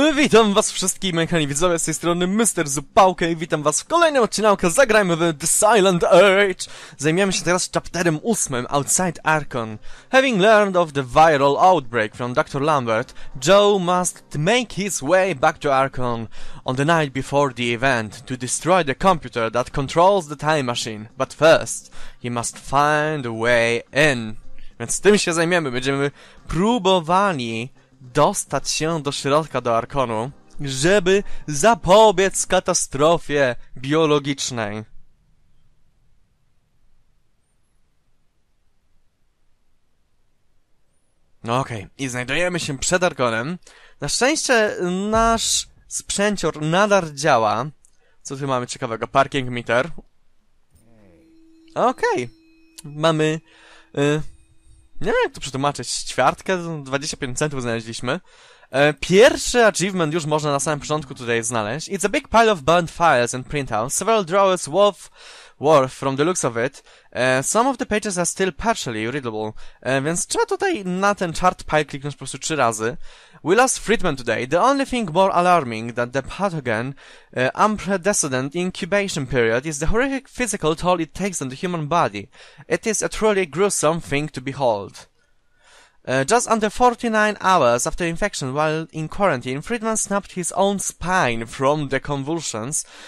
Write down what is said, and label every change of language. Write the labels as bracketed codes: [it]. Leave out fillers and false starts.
[pl] Witam was wszystkich, moi kochani widzowie, z tej strony Mr. Zupałka i witam was w kolejnym odcinku Zagrajmy w The Silent Age. Zajmiemy się teraz chapterem 8, Outside Archon. [en] Having learned of the viral outbreak from Dr. Lambert, Joe must make his way back to Archon on the night before the event to destroy the computer that controls the time machine. But first, he must find a way in. [pl] Więc tym się zajmiemy, będziemy próbowali dostać się do środka, do Arkonu, żeby zapobiec katastrofie biologicznej. No okej, okay. I znajdujemy się przed Arkonem. Na szczęście nasz sprzęcior nadal działa. Co tu mamy ciekawego? Parking meter. Okej, okay. Mamy... Nie wiem, jak to przetłumaczyć. Ćwiartkę, 25 centów znaleźliśmy. Pierwszy achievement już można na samym początku tutaj znaleźć. [en] It's a big pile of burnt files and printouts. Several drawers worth from the looks of it. Some of the pages are still partially readable. [pl] Więc trzeba tutaj na ten chart pile kliknąć po prostu 3 razy. [en] We lost Friedman today. The only thing more alarming than the pathogen unprecedented incubation period is the horrific physical toll it takes on the human body. It is a truly gruesome thing to behold. Just under 49 hours after infection while in quarantine, Friedman snapped his own spine from the convulsions.